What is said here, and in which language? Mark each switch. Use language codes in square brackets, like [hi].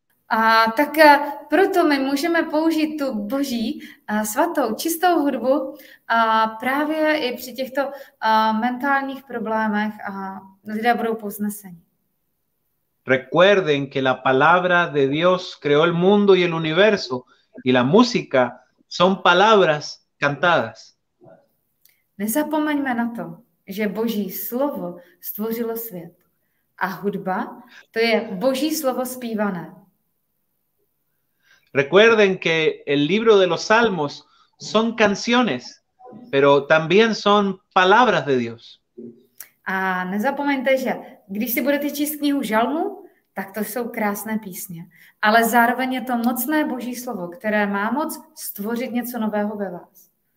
[cs] A tak proto my můžeme použít tu boží svatou čistou hudbu a právě i při těchto mentálních problémech a lidé budou povzneseni. [es] Recuerden que la palabra de Dios creó el mundo y el universo y la música son palabras cantadas. [cs] Nezapomeňme na to, že boží slovo stvořilo svět a hudba to je boží slovo zpívané. [es] Recuerden que el libro de los Salmos son canciones, pero también son palabras de Dios. [cs] A nezapomeňte, že když si budete číst knihu Žalmu, tak to jsou krásné písně. Ale zároveň je to mocné boží slovo, které má moc stvořit něco nového ve vás.